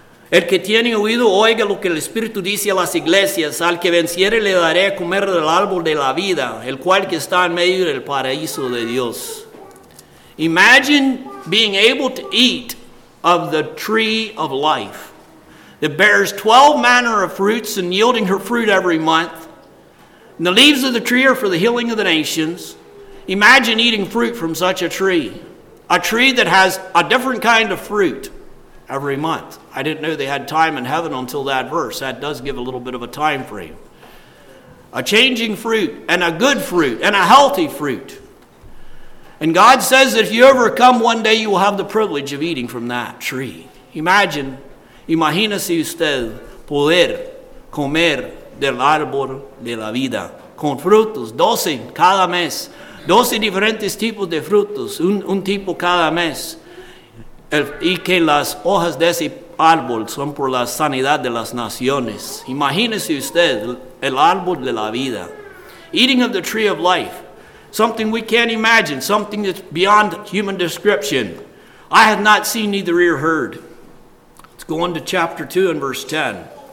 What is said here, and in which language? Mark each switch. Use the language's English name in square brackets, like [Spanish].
[Spanish] El que tiene oído oiga lo que el Espíritu dice a las iglesias. Al que venciere le daré a comer del árbol de la vida, el cual que está en medio del paraíso de Dios. [English] Imagine being able to eat of the tree of life. It bears 12 manner of fruits and yielding her fruit every month. And the leaves of the tree are for the healing of the nations. Imagine eating fruit from such a tree. A tree that has a different kind of fruit every month. I didn't know they had time in heaven until that verse. That does give a little bit of a time frame. A changing fruit and a good fruit and a healthy fruit. And God says that if you ever come one day, you will have the privilege of eating from that tree. Imagine. [Spanish] Imagínese usted poder comer del árbol de la vida con frutos, 12 cada mes, 12 diferentes tipos de frutos, un tipo cada mes, y que las hojas de ese árbol son por la sanidad de las naciones. Imagínese usted, el árbol de la vida. [English] Eating of the tree of life, something we can't imagine, something that's beyond human description. I have not seen, neither ear heard. Let's go on to chapter 2 and verse 10.